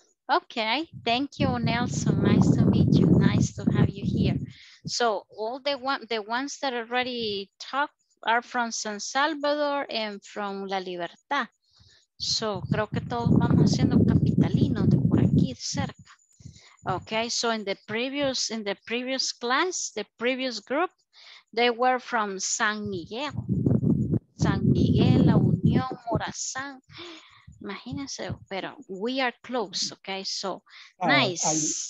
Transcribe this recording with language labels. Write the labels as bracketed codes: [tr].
[en] Okay, thank you, Nelson. Nice to meet you. Nice to have you here. So all the ones that already talked are from San Salvador and from La Libertad. [es] So creo que todos vamos siendo capitalinos de por aquí cerca. [en] Okay, so in the previous class, the previous group, they were from San Miguel, La Unión, Morazán. [es] Imagínense, pero [en] we are close, okay? So, nice.